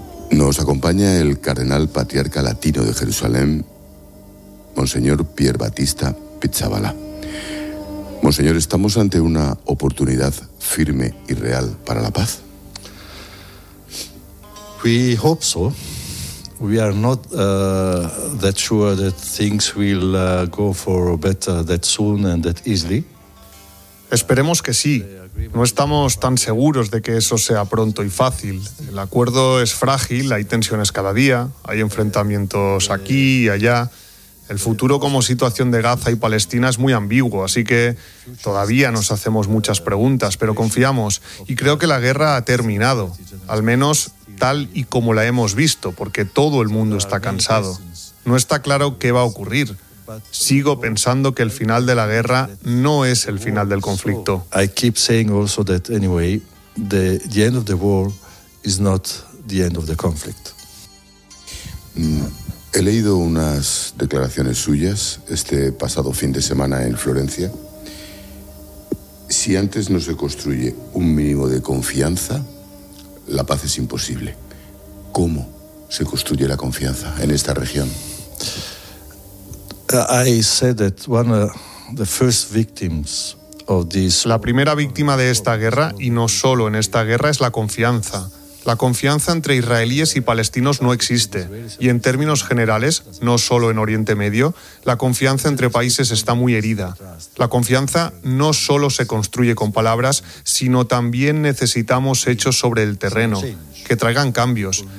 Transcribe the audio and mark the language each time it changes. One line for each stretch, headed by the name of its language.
Spanish: Nos acompaña el cardenal patriarca latino de Jerusalén, Monseñor Pier Battista Pichábala. Monseñor, ¿estamos ante una oportunidad firme y real para la paz?
English: We hope so. We are not that sure that things will go for better that soon and that easily.
Spanish: Esperemos que sí. No estamos tan seguros de que eso sea pronto y fácil. El acuerdo es frágil, hay tensiones cada día, hay enfrentamientos aquí y allá. El futuro como situación de Gaza y Palestina es muy ambiguo, así que todavía nos hacemos muchas preguntas, pero confiamos y creo que la guerra ha terminado, al menos tal y como la hemos visto, porque todo el mundo está cansado. No está claro qué va a ocurrir. Sigo pensando que el final de la guerra no es el final del conflicto.
English: I keep saying also that anyway, the end of the war is not the end of the conflict.
Spanish: He leído unas declaraciones suyas este pasado fin de semana en Florencia. Si antes no se construye un mínimo de confianza, la paz es imposible. ¿Cómo se construye la confianza en esta región?
English: I said that one of the first victims of this.
Spanish: La primera víctima de esta guerra, y no solo en esta guerra, es la confianza. La confianza entre israelíes y palestinos no existe. Y en términos generales, no solo en Oriente Medio, la confianza entre países está muy herida. La confianza no solo se construye con palabras, sino también necesitamos hechos sobre el terreno, que traigan cambios.